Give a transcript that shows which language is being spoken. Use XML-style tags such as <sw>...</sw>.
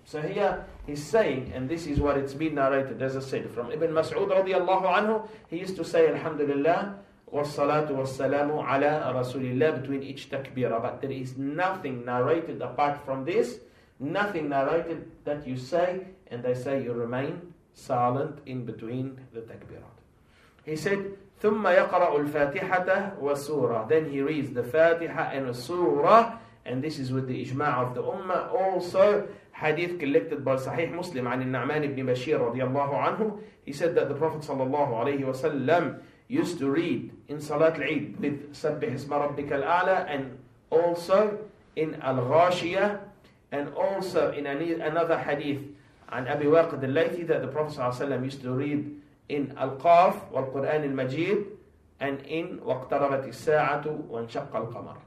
<en>So here he's saying, and this is what it's been narrated, as I said, from Ibn Mas'ud radiallahu anhu, he used to say,</en> <ar>Alhamdulillah, wassalatu wassalamu ala Rasulillah,</ar> <en>between each takbirah. But there is nothing narrated apart from this, nothing narrated that you say, and they say you remain silent in between the takbirah. He said,</en> <ar>ثُمَّ يَقْرَأُ الْفَاتِحَةَ وَالسُّورَةَ.</ar> <en>Then he reads the Fatiha and the Surah, and this is with the ijma' of the Ummah also. Hadith collected by Sahih Muslim</en> <ar>عن النعمان بن بشير رضي الله عنه.</ar> <en>He said that the Prophet</en> <ar>صلى الله عليه وسلم</ar> <en>used to read in Salat al-Eid with</en> <ar>سبح اسم ربك الأعلى,</ar> <en>and also in Al-Ghashiyah, and also in another hadith</en> <ar>عن أبي واقد الليثي,</ar> <en>that the Prophet صلى الله عليه وسلم used to read in Al-Qaf</en> <ar>والقرآن المجيد,</ar> <en>and in</en> <ar>واقتربت الساعة وانشق القمر.</ar>